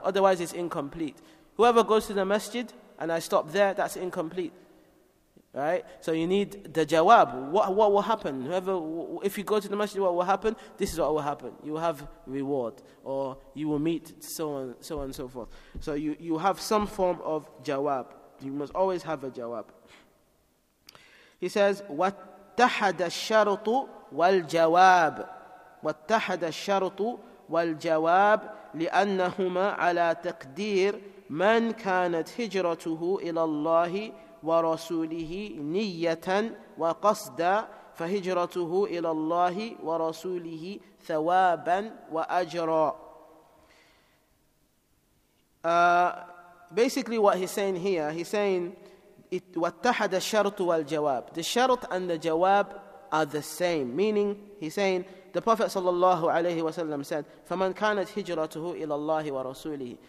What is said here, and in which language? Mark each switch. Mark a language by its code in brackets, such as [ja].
[en] Otherwise, it's incomplete. Whoever goes to the masjid and I stop there, that's incomplete. Right? So you need the jawab. What will happen? Whoever, if you go to the masjid, what will happen? This is what will happen. You will have reward, or you will meet so on and so forth. So you have some form of jawab. You must always have a jawab. He says, [ar] وَاتَّحَدَ الشَّرْطُ وَالْجَوَابُ وَاتَّحَدَ الشَّرْطُ وَالْجَوَابُ لِأَنَّهُمَا عَلَى تَقْدِيرِ مَنْ كَانَتْ هِجْرَتُهُ إِلَى اللَّهِ ورسوله نية وقصدا فهجرته إلى الله ورسوله ثوابا وأجرا. [en] Basically what he's saying here, he's saying [ar] واتحد الشرط والجواب. [en] The shart and the jawab are the same. Meaning, he's saying the Prophet sallallahu alayhi wa sallam said, [ar] فَمَنْ كَانَتْ هِجْرَتُهُ إِلَى اللَّهِ وَرَسُولِهِ.